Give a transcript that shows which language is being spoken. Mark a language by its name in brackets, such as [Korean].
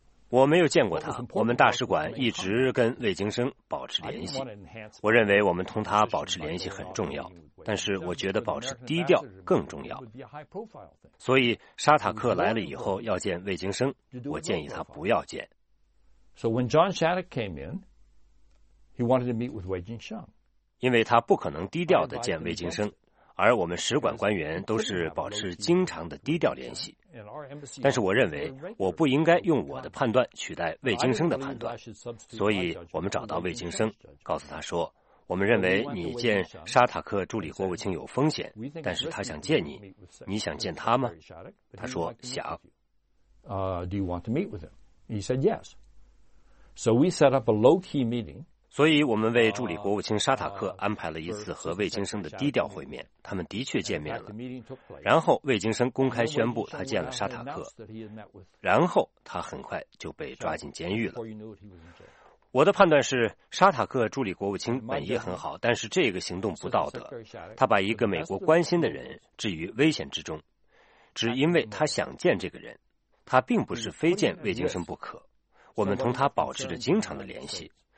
[Chinese] 我没有见过他，我们大使馆一直跟魏京生保持联系。我认为我们同他保持联系很重要，但是我觉得保持低调更重要。所以沙塔克来了以后要见魏京生，我建议他不要见。 [English] So when John Shattuck came in, he wanted to meet with Wei Jingsheng. [Chinese] 因为他不可能低调地见魏京生，而我们使馆官员都是保持经常的低调联系。但是我认为我不应该用我的判断取代魏京生的判断，所以我们找到魏京生，告诉他说，我们认为你见沙塔克助理国务卿有风险，但是他想见你，你想见他吗？他说想。 [English] Do you want to meet with him? He said yes. So we set up a low-key meeting. [Chinese] 所以我们为助理国务卿沙塔克安排了一次和魏京生的低调会面，他们的确见面了。然后魏京生公开宣布他见了沙塔克，然后他很快就被抓进监狱了。我的判断是，沙塔克助理国务卿本意很好，但是这个行动不道德，他把一个美国关心的人置于危险之中，只因为他想见这个人，他并不是非见魏京生不可，我们同他保持着经常的联系。